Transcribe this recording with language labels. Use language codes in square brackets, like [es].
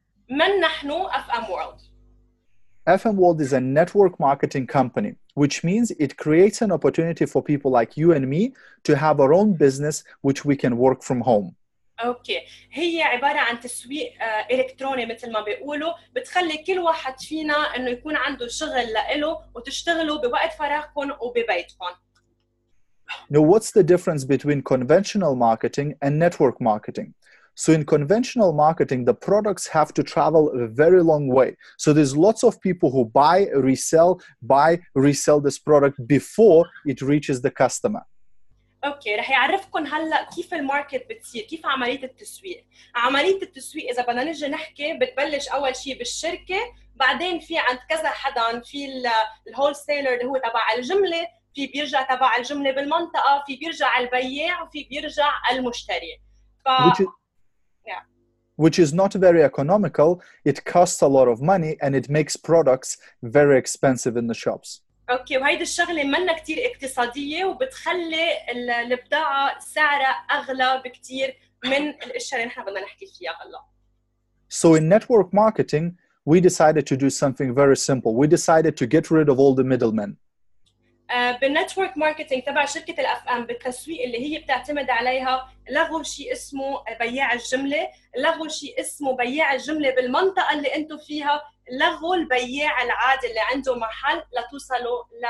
[ar] من نحن FM World. [en] FM World is a network marketing company, which means it creates an opportunity for people like you and me to have our own business, which we can work from home. [ar] اوكي هي عبارة عن تسويق إلكتروني مثل ما بيقولوا، بتخلي كل واحد فينا إنه يكون عنده شغل لإله وتشتغلوا بوقت فراغكم وببيتكم. [en] Now what's the difference between conventional marketing and network marketing? So in conventional marketing, the products have to travel a very long way. So there's lots of people who buy, resell this product before it reaches the customer. [ar] اوكي رح يعرفكم هلا كيف الماركت بتصير، كيف عمليه التسويق. عمليه التسويق اذا بدنا نجي نحكي بتبلش اول شيء بالشركه، بعدين في عند كذا حدا، في الهول سيلر اللي هو تبع الجمله، في بيرجع تبع الجمله بالمنطقه، في بيرجع البياع، وفي بيرجع المشتري. [en] Which is not very economical. It costs a lot of money and it makes products very expensive in the shops. [ar] اوكي وهيدي الشغله منا كثير اقتصاديه وبتخلي البضاعه سعرها اغلى بكثير من الاشياء اللي نحن بدنا نحكي فيها هلا. [en] So in network marketing we decided to do something very simple. We decided to get rid of all the middlemen. [ar] بالnetwork marketing تبع شركة الأف أم بالتسويق اللي هي بتعتمد عليها لغوا شيء اسمه بياع الجملة، لغوا شيء اسمه بياع الجملة بالمنطقة اللي أنتوا فيها، لغوا البياع العادي اللي عنده محل لتوصلوا